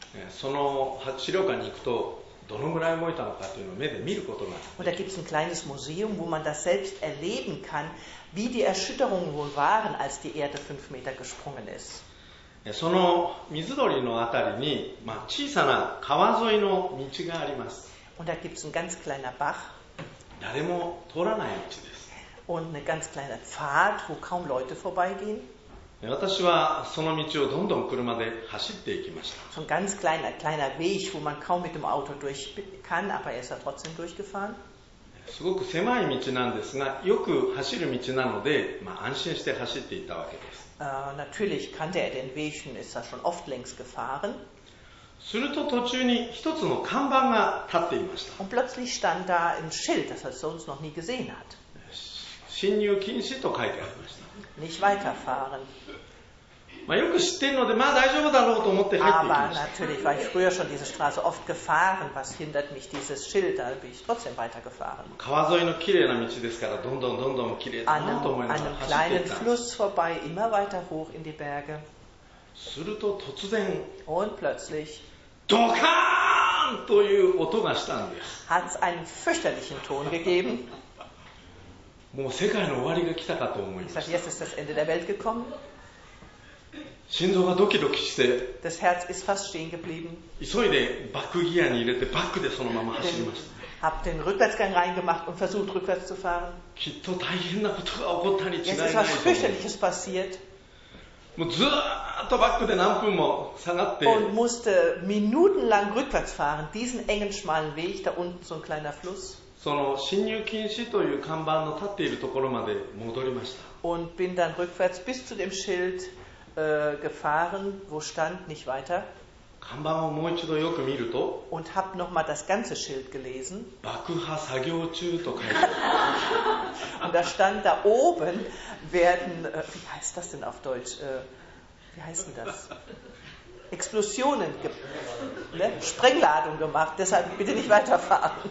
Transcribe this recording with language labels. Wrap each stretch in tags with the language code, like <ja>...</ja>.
<ja>その資料館に行くとどのぐらい燃えたのかというのを目で見ることができます。</ja> <de>Und da gibt es ein kleines Museum, wo man das selbst erleben kann, wie die Erschütterungen wohl waren, als die Erde 5 Meter gesprungen ist.</de> <ja>その水鳥のあたりに、まあ、小さな川沿いの道があります。</ja> <de>Und da gibt es ein ganz kleiner Bach.</de> <ja>誰も通らない道です。</ja> <de>Und eine ganz kleine Pfad, wo kaum Leute vorbeigehen.</de> <ja>私はその道をどんどん車で走っていきました。</ja> <de>So ein ganz kleiner Weg, wo man kaum mit dem Auto durch kann, aber er ist ja trotzdem durchgefahren.</de> <ja>すごく狭い道なんですが、よく走る道なので、まあ、安心して走っていたわけです。</ja> <de>Natürlich kannte er den Weg, ist er schon oft längst gefahren.</de> <ja>すると途中に一つの看板が立っていました。</ja> <de>Und plötzlich stand da ein Schild, das er sonst noch nie gesehen hat.</de> <ja>進入禁止と書いてありました。</ja> <de>Nicht weiterfahren.</de> <ja>まあよく知っているので、まあ大丈夫だろうと思って入っていきました。</ja> <de>Aber natürlich war ich früher schon diese Straße oft gefahren. Was hindert mich dieses Schild? Da bin ich trotzdem weitergefahren.</de> <ja>川沿いの綺麗な道ですから、どんどんどんどん綺麗だなと思いながら走っていった。</ja> <de>An einem kleinen Fluss vorbei, immer weiter hoch in die Berge.</de> <ja>すると突然</ja> <de>Und plötzlich</de> <ja>ドカーンという音がしたんです。</ja> <de>Hat's einen fürchterlichen Ton gegeben.</de> <ja>もう世界の終わりが来たかと思いました。</ja> <de>Sagt, jetzt ist das Ende der Welt gekommen.</de> <ja>心臓がドキドキして</ja> <de>Das Herz ist fast stehen geblieben.</de> <ja>急いでバックギアに入れてバックでそのまま走りました。</ja> <de>Hab den Rückwärtsgang reingemacht und versucht rückwärts zu fahren.</de> <ja>きっと大変なことが起こったに違いない。</ja> <de>Jetzt ist was fürchterliches passiert.</de> <ja>もうずっとバックで何分も下がって</ja> <de>und musste minutenlang rückwärts fahren diesen engen schmalen Weg da unten so ein kleiner Fluss</de> <ja>その進入禁止という看板の立っているところまで戻りました</ja> <de>und bin dann rückwärts bis zu dem Schild gefahren wo stand nicht weiter</de> <ja>看板をもう一度よく見ると</ja> <de>und hab noch mal das ganze Schild gelesen</de> <ja>爆破作業中と書いて</ja> <de>und da stand da oben werden wie heißt das denn auf Deutsch wie heißt denn das Explosionen ne? Sprengladung gemacht deshalb bitte nicht weiterfahren</de>